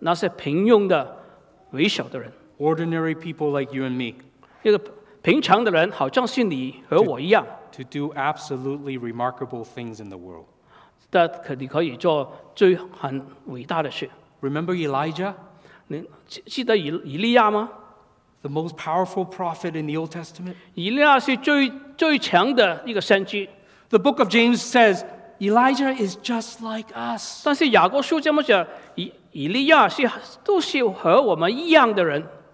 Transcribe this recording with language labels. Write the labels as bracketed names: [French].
[Chinese] 神拣选那些平庸的、微小的人。 [English] Ordinary people like you and me. [Chinese] 平常的人好像是你和我一样， [English] to do absolutely remarkable things in the world. [Chinese] 但你可以做最很伟大的事。 [English] Remember Elijah? [Chinese] 你记得以利亚吗？ [English] The most powerful prophet in the Old Testament? [Chinese] 以利亚是最强的一个先知。 [English] The book of James says, Elijah is just like us. [Chinese] 但是雅各书这么讲，以利亚是都是和我们一样的人。